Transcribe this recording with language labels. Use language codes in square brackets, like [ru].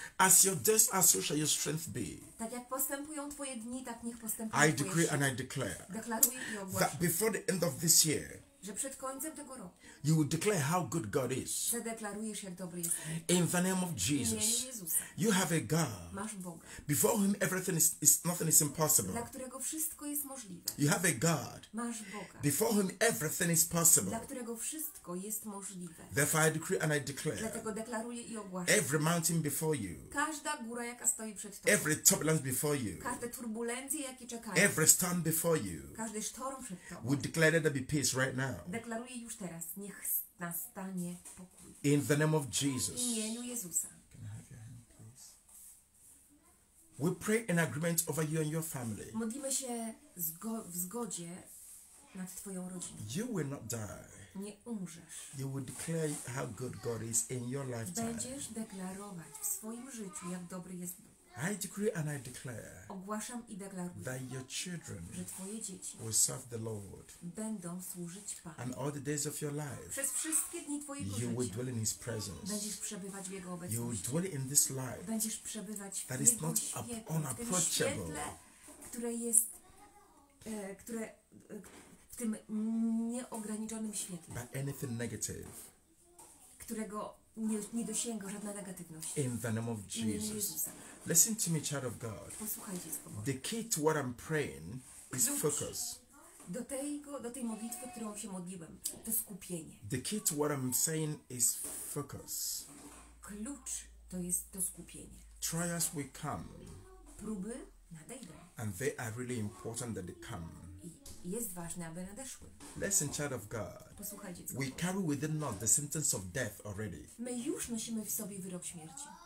[en] As your days are, so shall your strength be. [pl] Tak jak postępują twoje dni, tak niech postępują. [en] I decree and I declare. [pl] Deklaruję i ogłaszam. [en] That before the end of this year. [pl] Że przed końcem tego roku. [en] You will declare how good God is. [pl] Że deklarujesz, jak dobry jest. [en] In the name of Jesus. [pl] W imieniu Jezusa. [en] You have a God. [pl] Masz Boga. [en] Before whom everything is nothing is impossible. [pl] Dla którego wszystko jest możliwe. [en] You have a God. [pl] Masz Boga. [en] Before whom everything is possible. [pl] Dla którego wszystko jest możliwe. [en] Therefore I decree and I declare. [pl] Dlatego deklaruję i ogłaszam. [en] Every mountain before you. [pl] Każda góra, jaka stoi przed tobą. [en] Every turbulence before you. [pl] Każde turbulencje, jakie czekają. [en] Every storm before you. [pl] Każdy sztorm przed tobą. [en] We declare there be peace right now. [pl] Deklaruję już teraz, niech nastanie pokój. [en] In the name of Jesus. [pl] W imieniu Jezusa. [en] Can I have your hand, please? We pray in agreement over you and your family. [pl] Modlimy się w zgodzie nad twoją rodziną. [en] You will not die. [pl] Nie umrzesz. [en] You will declare how good God is in your lifetime. [pl] Będziesz deklarować w swoim życiu, jak dobry jest Bóg. [en] I decree and I declare. [pl] Ogłaszam i deklaruję. [en] That your children, [pl] że twoje dzieci, [en] will serve the Lord. [pl] Będą służyć Panu. [en] And all the days of your life, [pl] przez wszystkie dni twojego [en] you [pl] życia, [en] you will dwell in His presence. [pl] Będziesz przebywać w jego obecności. [en] You will dwell in this life, [pl] będziesz przebywać w [en] that is not unapproachable, [pl] w tym świetle, które jest, które w tym nieograniczonym świetle, [en] but anything negative, [pl] którego nie dosięga żadna negatywność. [en] In the name of Jesus. Listen to me, child of God. The key to what I'm praying is focus. [pl] Do tej modlitwy, którą się modliłem, to skupienie. [en] The key to what I'm saying is focus. [pl] Klucz to jest to skupienie. [en] Trials will come. [pl] Próby nadejdą. [en] And they are really important that they come. [pl] Jest ważne, aby nadeszły. [en] Listen, child of God. [pl] Posłuchaj, dziecko. [en] We carry within us the sentence of death already. [pl] My już nosimy w sobie wyrok śmierci.